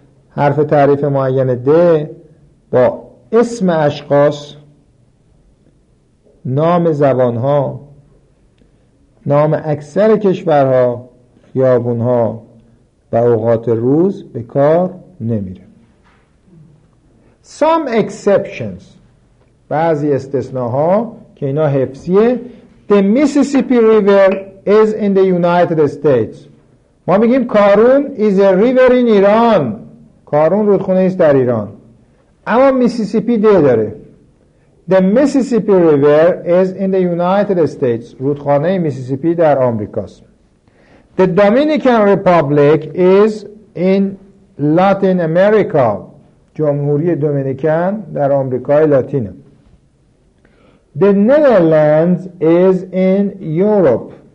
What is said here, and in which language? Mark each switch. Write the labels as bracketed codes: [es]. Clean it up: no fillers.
[fa] حرف تعریف معین ده با اسم اشخاص، نام زبانها، نام اکثر کشورها، خیابونها و اوقات روز به کار نمیره. [en] Some exceptions، [fa] بعضی استثناها که اینا حفظیه. [en] The Mississippi River is in the United States. [fa] ما میگیم کارون [en] is a river in [fa] ایران. کارون رودخونه ایست در ایران. اما میسیسیپی ده داره. [en] The Mississippi River is in the United States. [fa] رودخانه میسیسیپی در آمریکاست. [en] The Dominican Republic is in Latin America. [fa] جمهوری دومینیکن در آمریکای لاتینه. [en] The Netherlands is in Europe.